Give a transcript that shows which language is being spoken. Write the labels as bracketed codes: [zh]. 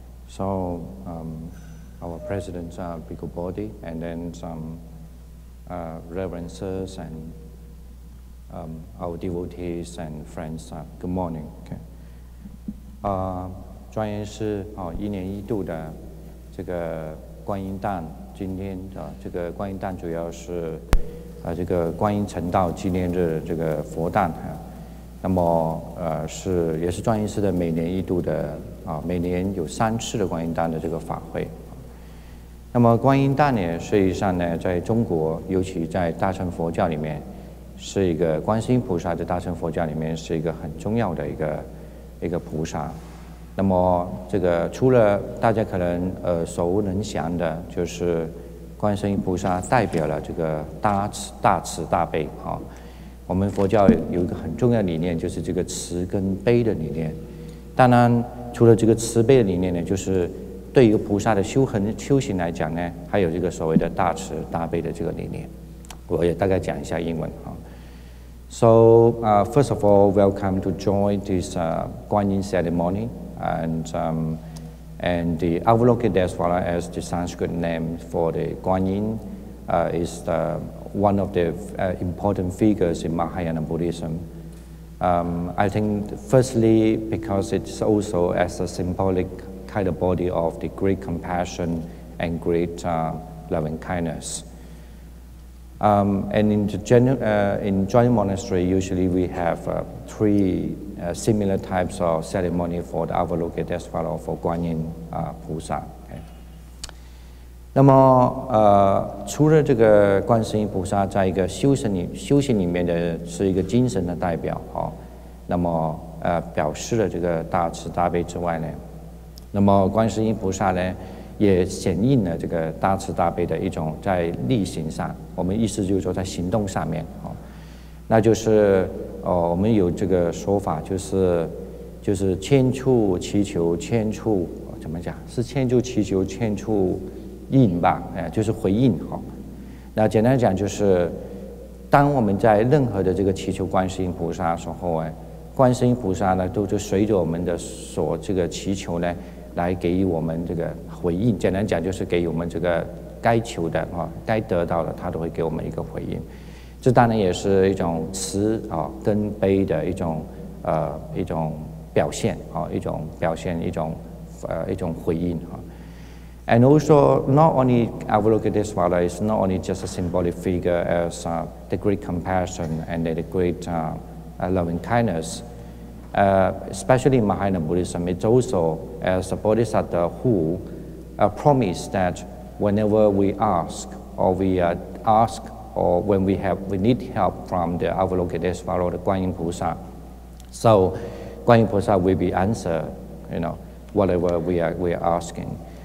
[en] So, our president's Bhikkhu Bodhi, and then some reverences and our devotees and friends. Good morning. Okay. [zh] 庄严寺一年一度的这个观音诞，今天这个观音诞主要是这个观音成道纪念日这个佛诞啊。那么是也是庄严寺的每年一度的每年有三次的观音诞的这个法会。那么观音诞呢，实际上呢，在中国尤其在大乘佛教里面，是一个观世音菩萨在大乘佛教里面是一个很重要的一个菩萨。那么这个除了大家可能所无能详的，就是观世音菩萨代表了这个大慈大悲啊。我们佛教有一个很重要的理念，就是这个慈跟悲的理念。当然除了这个慈悲的理念呢，就是对于菩萨的修行来讲呢，还有这个所谓的大慈大悲的这个理念。我也大概讲一下英文啊。 [en] So, first of all, welcome to join this Guanyin ceremony and the Avalokiteshvara as the Sanskrit name for the Guanyin is one of the important figures in Mahayana Buddhism. I think firstly because it's also as a symbolic kind of body of the great compassion and great loving kindness. And in Jain monastery, usually we have three similar types of ceremony for the Avalokiteshvara or for Guanyin Pusa. [zh] 那么除了这个观世音菩萨在一个修行里面的是一个精神的代表哦，那么表示了这个大慈大悲之外呢，那么观世音菩萨呢？也显应了这个大慈大悲的一种在力行上，我们意思就是说在行动上面，那就是我们有这个说法，就是千处祈求千处怎么讲？是千处祈求千处应吧？就是回应哈。那简单讲就是，当我们在任何的这个祈求观世音菩萨的时候，观世音菩萨呢，都是随着我们的所这个祈求呢。来给予我们这个回应，简单讲就是给予我们这个该求的该得到的，他都会给我们一个回应。这当然也是一种慈跟悲的一种表现一种回应啊。 [en] And also, not only Avalokiteshvara is not only just a symbolic figure as the great compassion and the great loving kindness. Especially in Mahayana Buddhism, it's also as a Bodhisattva who promised that whenever we ask or when we need help from the Avalokiteshvara or the Guanyin Pusa, so Guanyin Pusa will be answered, whatever we are asking.